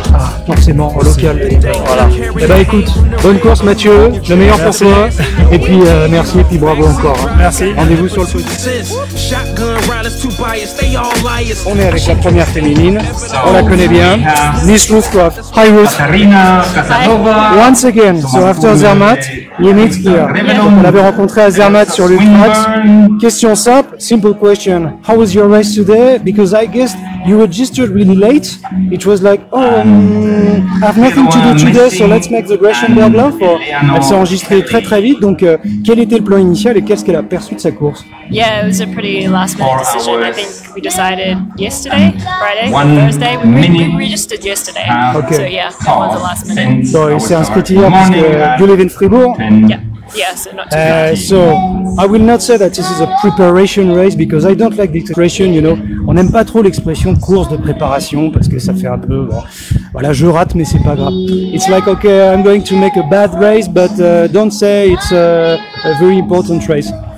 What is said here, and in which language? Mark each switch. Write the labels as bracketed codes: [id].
[fr] Ah, forcément, au local. Voilà. Et bah écoute, bonne course Mathieu, le meilleur merci. Pour toi. Et puis merci et puis bravo encore. Hein. Merci. Rendez-vous sur le podium. On est avec la première féminine, on la connaît bien. [en] Nice Roofcraft. Hi Ruth. Katarina, Katanova. Once again, so after Zermatt, you meet here. [fr] On l'avait rencontré à Zermatt sur l'Ultrax. Question simple, [en] simple question. How was your race today? Because I guess you registered really late. It was like, oh, I have nothing to do today, so let's make the Gresham Berglauf. [fr] Elle s'est enregistrée très très vite. Donc, quel était le plan initial et qu'est-ce qu'elle a perçu de sa course? [en] Yeah, it was a pretty last minute decision. I think we decided yesterday, Friday, Thursday. We registered yesterday. Okay. So yeah, that was the last minute. [fr] Donc, il s'est inscrit hier parce que [en] you live in Fribourg. Yeah. Yes, not too So, I will not say that this is a preparation race because I don't like the expression, you know. [fr] On n'aime pas trop l'expression course de préparation parce que ça fait un peu, bon, voilà, je rate, mais c'est pas grave. [en] It's like, okay, I'm going to make a bad race, but don't say it's a very important race.